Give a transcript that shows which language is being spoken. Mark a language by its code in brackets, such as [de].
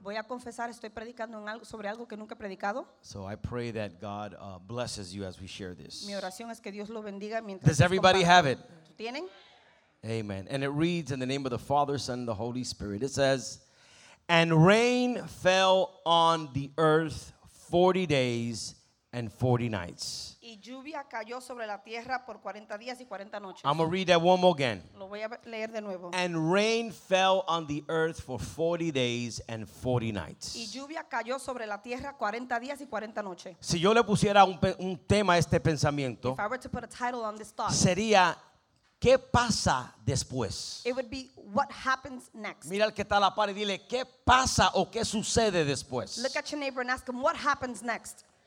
[es] Voy a confesar, estoy predicando en algo, sobre algo que nunca he predicado. [en] So I pray that God blesses you as we share this. [es] Mi oración es que Dios lo bendiga mientras. [en] Does everybody have it? [es] ¿Tienen? [en] Amen. And it reads, in the name of the Father, Son, and the Holy Spirit, it says, and rain fell on the earth 40 days and 40 nights. [es] Y lluvia cayó sobre la tierra por 40 días y 40 noches. [en] I'm going to read that one more again. [es] Lo voy a leer de nuevo. [en] And rain fell on the earth for 40 days and 40 nights. [es] Y lluvia cayó sobre la tierra 40 días y 40 noches. Si yo le pusiera un tema a este pensamiento, [en] if I were to put a title on this thought, [es] sería ¿qué pasa después? [en] It would be what happens next. [es] Mira al que está a la par y dile ¿qué pasa o qué sucede después? [en] Look at your neighbor and ask him what happens next.